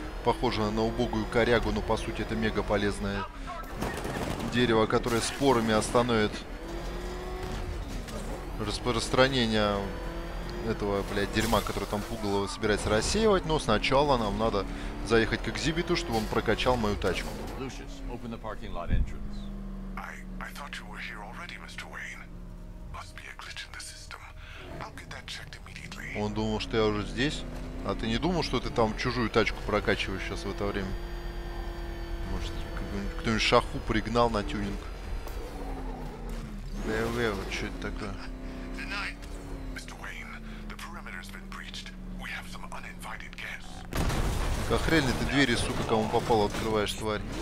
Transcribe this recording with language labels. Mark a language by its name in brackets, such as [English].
[Russian] Похоже на убогую корягу, но по сути это мега полезное дерево, которое спорами остановит распространение этого, блядь, дерьма, которое там пугало собирается рассеивать. Но сначала нам надо заехать к экзибиту, чтобы он прокачал мою тачку. [English] I thought you were here already, Mr. Wayne. Must be a glitch in the system. I'll get that checked immediately. [Russian] Он думал, что я уже здесь? А ты не думал, что ты там чужую тачку прокачиваешь сейчас в это время? Может, кто-нибудь шаху пригнал на тюнинг? Лево, что это такое? [English] The night, Mr. Wayne. The perimeter's been breached. We have some uninvited guests. [Russian] Как хрен ты двери, сука, кому попало открываешь, тварь?